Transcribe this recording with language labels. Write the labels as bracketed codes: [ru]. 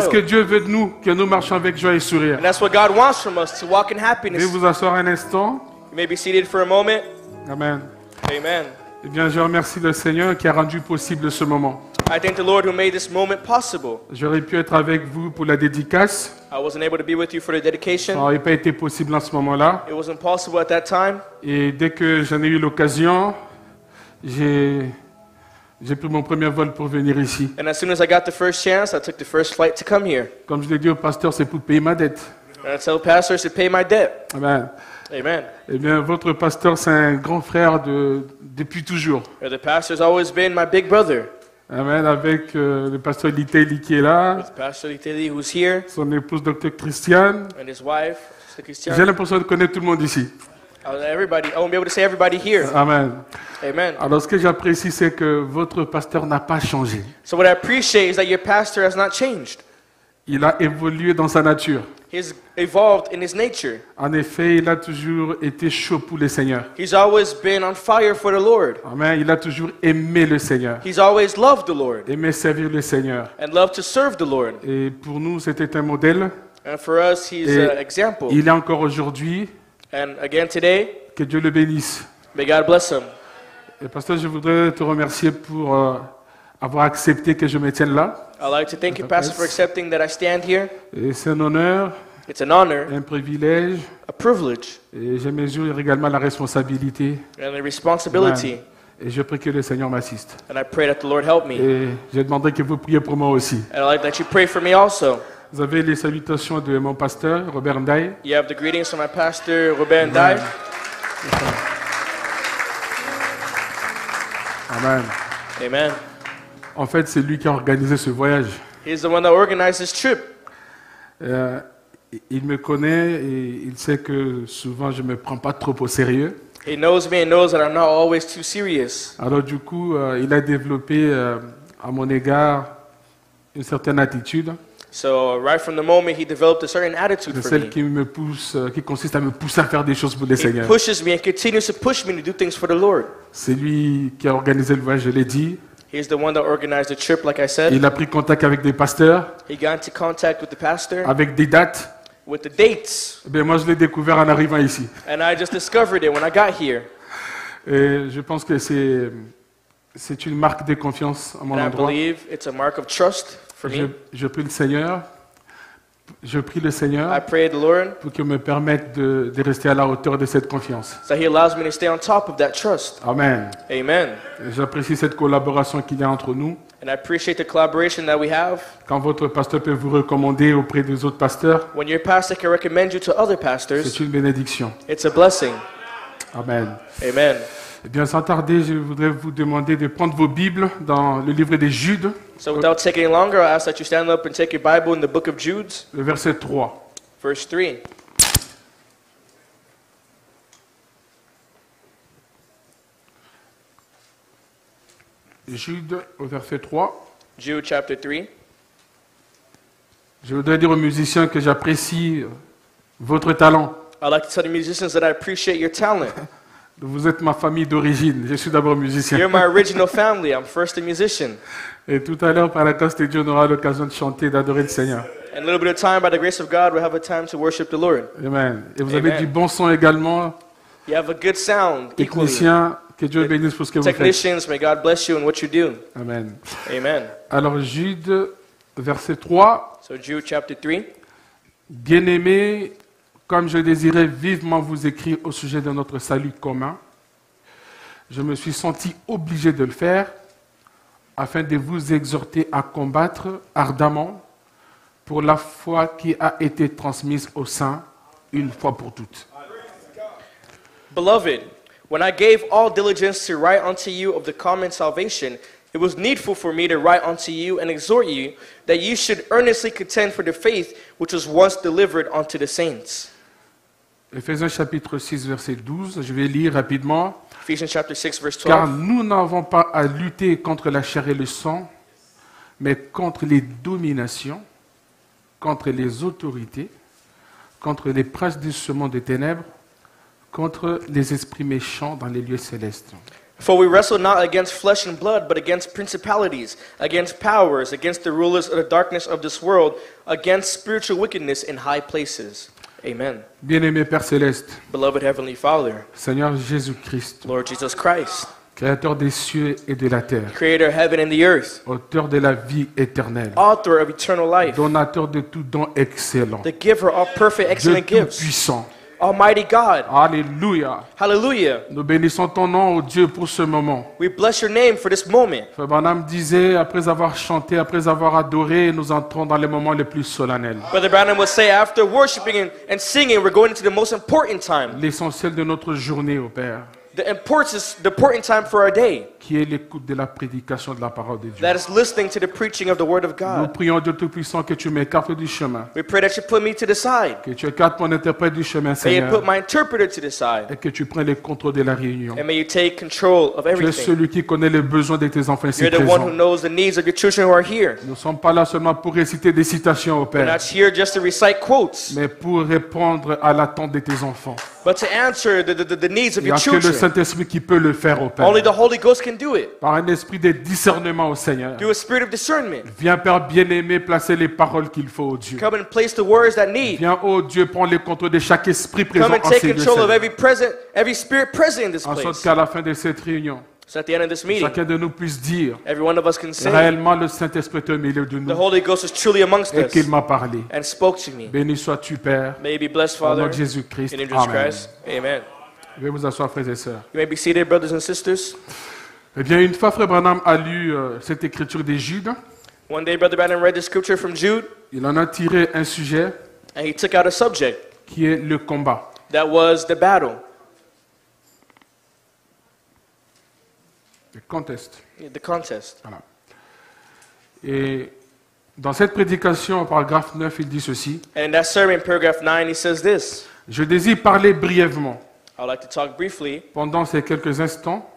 [fr] C'est ce que Dieu veut de nous, que nous marchions avec joie et sourire. [en] And that's what God wants from us, to walk in happiness. [fr] Veuillez vous asseoir un instant. [en] You may be seated for a moment. Amen. Amen. [fr] Eh bien, je remercie le Seigneur qui a rendu possible ce moment. [en] I thank the Lord who made this moment possible. [fr] J'aurais pu être avec vous pour la dédicace. [en] I wasn't able to be with you for the dedication. [fr] Ça n'aurait pas été possible en ce moment-là. [en] It was impossible at that time. [fr] Et dès que j'en ai eu l'occasion, j'ai pris mon premier vol pour venir ici. [en] And as soon as I got the first chance, I took the first flight to come here. [fr] Comme je l'ai dit au pasteur, c'est pour payer ma dette. [en] And I tell the pastor, it's to pay my debt. Amen. Amen. [fr] Eh bien, votre pasteur, c'est un grand frère depuis toujours. [en] And the pastor's always been my big brother. Amen. [fr] Avec le pasteur Litelli qui est là. [en] With Pastor Litelli who's here. [fr] Son épouse, Dr. Christiane. [en] And his wife, Sister Christiane. [fr] J'ai l'impression de connaître tout le monde ici. [en] Everybody. I won't be able to say everybody here. Amen. Amen. [fr] Alors, ce que j'apprécie, c'est que votre pasteur n'a pas changé. [en] So what I appreciate is that your pastor has not changed. [fr] Il a évolué dans sa nature. [en] He's evolved in his nature. [fr] En effet, il a toujours été chaud pour le Seigneur. [en] He's always been on fire for the Lord. Amen. [fr] Il a toujours aimé le Seigneur. [en] He's always loved the Lord. [fr] Aimé servir le Seigneur. [en] And loved to serve the Lord. [fr] Et pour nous, c'était un modèle. [en] And for us, he's an example. [fr] Il est encore aujourd'hui. [en] And again today. [fr] Que Dieu le bénisse. [en] May God bless him. [fr] Et pasteur, je voudrais te remercier pour avoir accepté que je me tienne là. [en] I'd like to thank you, Pastor, for accepting that I stand here. [fr] Et c'est un honneur. [en] It's an honor. [fr] Un privilège. [en] A privilege. [fr] Et je mesure également la responsabilité. [en] And a responsibility. [fr] Et je prie que le Seigneur m'assiste. [en] And I pray that the Lord help me. [fr] Et j'ai demandé que vous priez pour moi aussi. [en] And I'd like that you pray for me also. [fr] Vous avez les salutations de mon pasteur, Robert Ndaye. [en] You have the greetings from my pastor, Robert Ndaye. Amen. Amen. Amen. [fr] En fait, c'est lui qui a organisé ce voyage. [en] He's the one that organized this trip. [fr] Il me connaît et il sait que souvent je ne me prends pas trop au sérieux. [en] He knows me and knows that I'm not always too serious. [fr] Alors du coup, il a développé à mon égard une certaine attitude. [en] So right from the moment he developed a certain attitude for me. [fr] Celle qui me pousse, qui consiste à me pousser à faire des choses pour le Seigneur. [en] He pushes me and continues to push me to do things for the Lord. [fr] C'est lui qui a organisé le voyage, je l'ai dit. [en] He's the one that organized the trip, like I said. [fr] Il a pris contact avec des pasteurs. [en] He got into contact with the pastor. [fr] Avec des dates. [en] With the dates. [fr] Et bien moi je l'ai découvert en arrivant ici. [en] And I just discovered it when I got here. [fr] Et je pense que c'est une marque de confiance à mon [en] and [fr] endroit. [en] I believe it's a mark of trust. [fr] Je prie le Seigneur. Je prie le Seigneur [en] I pray the Lord, [fr] pour qu'il me permette de rester à la hauteur de cette confiance. [en] So he allows me to stay on top of that trust. Amen. Amen. [fr] J'apprécie cette collaboration qu'il y a entre nous. [en] And I appreciate the collaboration that we have. [fr] Quand votre pasteur peut vous recommander auprès des autres pasteurs, [en] when your pastor can recommend you to other pastors, [fr] c'est une bénédiction. [en] It's a blessing. Amen. Amen. [fr] Eh bien, sans tarder, je voudrais vous demander de prendre vos Bibles dans le livre de Jude. [en] So without taking longer, I ask that you stand up and take your Bible in the book of Jude. [fr] Le verset 3. [en] Verse 3. [fr] Jude, au verset 3. [en] Jude, chapter 3. [fr] Je voudrais dire aux musiciens que j'apprécie votre talent. [en] I'd like to tell the musicians that I appreciate your talent. [fr] Vous êtes ma famille d'origine. Je suis d'abord musicien. [en] You're my original family. I'm first a musician. [fr] Et tout à l'heure, par la grâce de Dieu, on aura l'occasion de chanter, d'adorer le Seigneur. [en] And a little bit of time, by the grace of God, we'll have a time to worship the Lord. Amen. [fr] Et vous avez du bon son également. [en] You have a good sound. [fr] Technicien, que Dieu bénisse pour ce que vous faites. [en] Technicians, may God bless you in what you do. Amen. Amen. [fr] Alors Jude, verset 3. [en] So Jude, chapter 3. [fr] Bien-aimé. Comme je désirais vivement vous écrire au sujet de notre salut commun, je me suis senti obligé de le faire afin de vous exhorter à combattre ardemment pour la foi qui a été transmise aux saints une fois pour toutes. [en] Beloved, when I gave all diligence to write unto you of the common salvation, it was needful for me to write unto you and exhort you that you should earnestly contend for the faith which was once delivered unto the saints. [fr] Ephésiens chapitre 6, verset 12, je vais lire rapidement. Ephésiens chapitre 6, verset 12. Car nous n'avons pas à lutter contre la chair et le sang, mais contre les dominations, contre les autorités, contre les princes du monde des ténèbres, contre les esprits méchants dans les lieux célestes. [en] For we wrestle not against flesh and blood, but against principalities, against powers, against the rulers of the darkness of this world, against spiritual wickedness in high places. Amen. [fr] Bien-aimé Père Céleste, [en] beloved Heavenly Father, [fr] Seigneur Jésus-Christ, [en] Lord Jesus Christ, [fr] Créateur des cieux et de la terre, [en] Creator of heaven and the earth, [fr] Auteur de la vie éternelle, [en] Author of eternal life, [fr] Donateur de tout don excellent, [en] the giver of perfect excellent gifts, [fr] de tout puissant, [en] Almighty God. Alléluia. Hallelujah. [fr] Nous bénissons ton nom, ô Dieu, pour ce moment. [en] We bless your name for this moment. [fr] Frère Branham disait, après avoir chanté, après avoir adoré, nous entrons dans les moments les plus solennels. [en] Brother Branham would say, after worshiping and singing, we're going into the most important time. [fr] L'essentiel de notre journée, ô Père. [en] The important time for our day. [fr] Qui est l'écoute de la prédication de la parole de Dieu. [en] That is listening to the preaching of the word of God. [fr] Nous prions Dieu Tout-Puissant que tu m'écartes du chemin. [en] We pray that you put me to the side. [fr] Que tu écartes mon interprète du chemin, Seigneur. [en] May you put my interpreter to the side. [fr] Et que tu prennes le contrôle de la réunion. [en] And may you take control of everything. [fr] Tu es celui qui connaît les besoins de tes enfants ici présents. [en] You're the one who knows the needs of your children who are here. [fr] Nous sommes pas là seulement pour réciter des citations, ô Père. [en] We're not here just to recite quotes. [fr] Mais pour répondre à l'attente de tes enfants. [en] But to answer the needs of your children. [fr] Il n'y a que le Saint-Esprit qui peut le faire, ô Père. [en] Only the Holy Ghost can do it. [fr] Par un esprit de discernement au Seigneur. [en] Through a spirit of discernment. [fr] Viens, Père bien-aimé, placer les paroles qu'il faut, ô Dieu. [en] Come and place the words that need. [fr] Viens, ô Dieu, prendre le contrôle de chaque esprit présent en ces lieux. [en] Come and take control of every spirit present in this place. [fr] En sorte qu'à la fin de cette réunion, [en] so at the end of this meeting, [fr] chacun de nous puisse dire, [en] every one of us can say, [fr] réellement le Saint-Esprit est au milieu de nous. [en] The Holy Ghost is truly amongst us. [fr] Et qu'il m'a parlé. [en] And spoke to me. [fr] Béni sois-tu, Père. [en] May be blessed, Father. [fr] Au nom de Jésus-Christ. [en] In Jesus Christ. Amen. [fr] Vous pouvez vous asseoir, frères et sœurs. [en] You may be seated, brothers and sisters. [fr] Eh bien, une fois, Frère Branham a lu cette écriture de Jude. [en] One day, Brother Branham read the scripture from Jude. [fr] Il en a tiré un sujet. [en] And he took out a subject. [fr] Qui est le combat. [en] That was the battle. The contest. Yeah, the contest. [fr] Voilà. Et dans cette prédication, en paragraphe 9, il dit ceci. [en] And in that sermon, paragraph 9, he says this. [fr] Je désire parler brièvement. [en] I'd like to talk briefly [fr] pendant ces quelques instants